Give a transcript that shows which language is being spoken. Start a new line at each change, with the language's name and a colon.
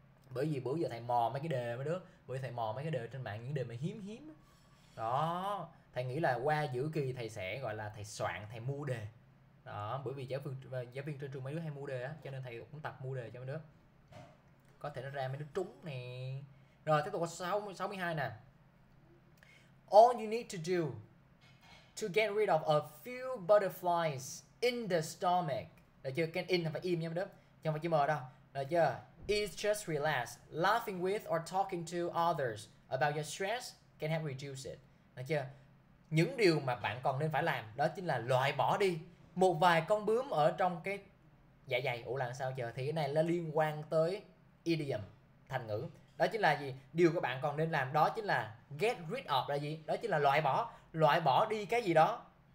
Vietnamese: Bởi vì bữa giờ thầy mò mấy cái đề mấy đứa. Bởi vì thầy mò mấy cái đề trên mạng, những đề mà hiếm hiếm. Đó. Thầy nghĩ là qua giữa kỳ thầy sẽ gọi là thầy soạn, thầy mua đề. Đó, bởi vì giáo viên trên trường mấy đứa hay mua đề á, cho nên thầy cũng tập mua đề cho mấy đứa. Có thể nó ra mấy đứa trúng nè. Rồi, tiếp tục có 62 nè.
English: All you need to do to get rid of a few butterflies in the stomach.
Vietnamese: Được chưa? Can in phải im nha mấy đứa. Chứ không phải chữ M đâu. Được chưa?
English: Is just relax, laughing with or talking to others about your stress can help reduce it.
Vietnamese: Được chưa? Những điều mà bạn còn nên phải làm đó chính là loại bỏ đi một vài con bướm ở trong cái dạ dày. Ủa là sao chờ? Thì cái này là liên quan tới idiom, thành ngữ. Đó chính là gì? Điều các bạn còn nên làm đó chính là get rid of là gì? Đó chính là loại bỏ đi cái gì đó.